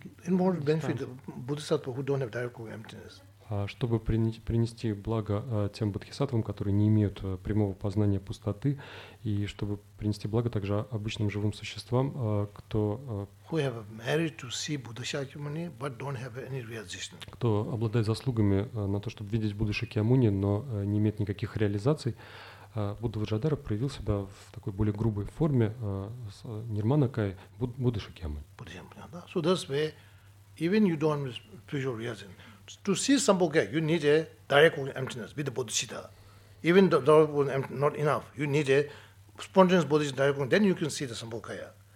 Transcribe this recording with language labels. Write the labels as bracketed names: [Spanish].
[English] get... In order to benefit the bodhisattva who don't have direct emptiness. [Russian] Чтобы принести благо тем бодхисаттвам, которые не имеют прямого познания пустоты, и чтобы принести благо также обычным живым существам, кто обладает заслугами на то, чтобы видеть Будду Шакьямуни, но не имеет никаких реализаций, Будда Ваджадара проявил себя в такой более грубой форме с Нирмана Кай Будды Шакьямуни. [English] So that's why even you don't have spiritual reason. To see Sambhogaya, you need a direct emptiness with the bodhicitta. Even the direct emptiness not enough, you need a spontaneous bodhicitta, direct emptiness, then you can see the Sambhogaya.